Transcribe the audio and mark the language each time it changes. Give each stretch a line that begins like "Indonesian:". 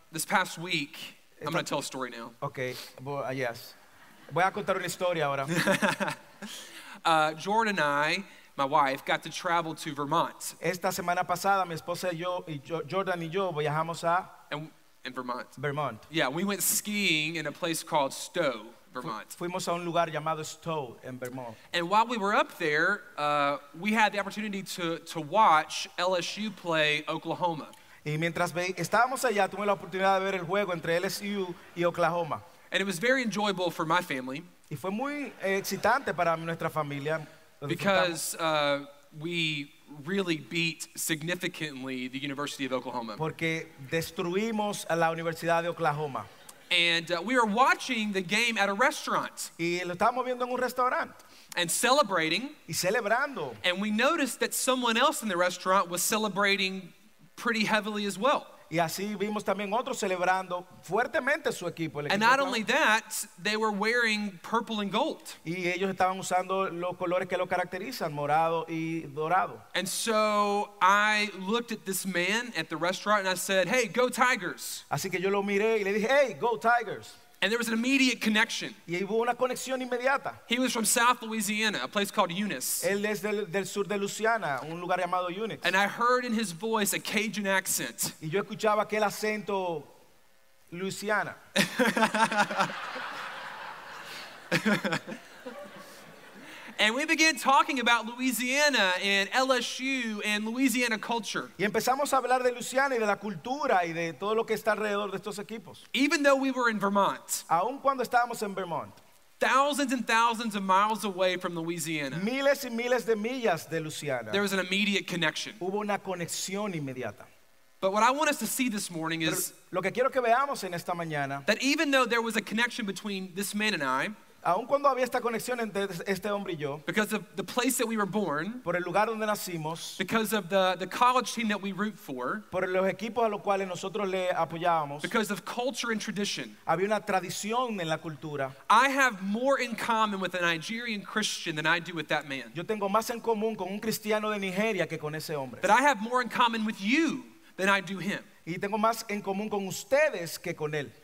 English: This past week, I'm going to tell a story now. Okay, well, yes.
Spanish: Voy a contar una historia ahora.
English: Jordan and I, my wife, got to travel to Vermont.
Spanish: Esta semana pasada, mi esposa y yo, y Jordan y yo, viajamos a...
English: In Vermont. Vermont. Yeah, we went skiing in a place called Stowe, Vermont.
Spanish: Fuimos a un lugar llamado Stowe in Vermont.
English: And while we were up there, we had the opportunity to watch LSU play Oklahoma.
Spanish: Y mientras estábamos allá, tuve la oportunidad de ver el juego entre LSU y Oklahoma.
English: And it was very enjoyable for my family.
Spanish: Y fue muy excitante para nuestra familia.
English: Because we really beat significantly the University of Oklahoma.
Spanish: Porque destruimos a la Universidad de Oklahoma.
English: And we were watching the game at a restaurant.
Spanish: Y lo estábamos viendo en un restaurante.
English: And celebrating.
Spanish: Y celebrando.
English: And we noticed that someone else in the restaurant was celebrating pretty heavily as well.
Spanish: Y así vimos también otros celebrando fuertemente su equipo.
English: And not only that, they were wearing purple and gold.
Spanish: Y ellos estaban usando los colores que lo caracterizan, morado y dorado.
English: And so I looked at this man at the restaurant and I said, "Hey, go Tigers."
Spanish: Así que yo lo miré y le dije,
English: "Hey, go Tigers." And there was an immediate connection.
Spanish: Y hubo una conexión inmediata.
English: He was from South Louisiana, a place called Eunice.
Spanish: Él es del sur de Louisiana, un lugar llamado Eunice.
English: And I heard in his voice a Cajun accent.
Spanish: Y yo escuchaba aquel acento Louisiana.
English: And we began talking about Louisiana and LSU and Louisiana culture.
Spanish: Y empezamos a hablar de Louisiana y de la cultura y de todo lo que está alrededor de estos equipos.
English: Even though we were in Vermont.
Spanish: Aun cuando estábamos en Vermont.
English: Thousands and thousands of miles away from Louisiana.
Spanish: Miles y miles de millas de Louisiana.
English: There was an immediate connection.
Spanish: Hubo una conexión inmediata.
English: But what I want us to see this morning is
Spanish: lo que quiero que veamos en esta mañana,
English: that even though there was a connection between this man and I,
Spanish: aun cuando había esta conexión entre este hombre y yo,
English: because of the place that we were born,
Spanish: por el lugar donde nacimos,
English: because of the college team that we root for,
Spanish: por los equipos a los cuales nosotros le apoyábamos,
English: because of culture and tradition,
Spanish: había una tradición en la cultura,
English: I have more in common with a Nigerian Christian than I do with that man.
Spanish: Yo tengo más en común con un cristiano de Nigeria que con ese hombre.
English: That I have more in common with you than I do him.
Spanish: Y tengo más en común con ustedes que con él.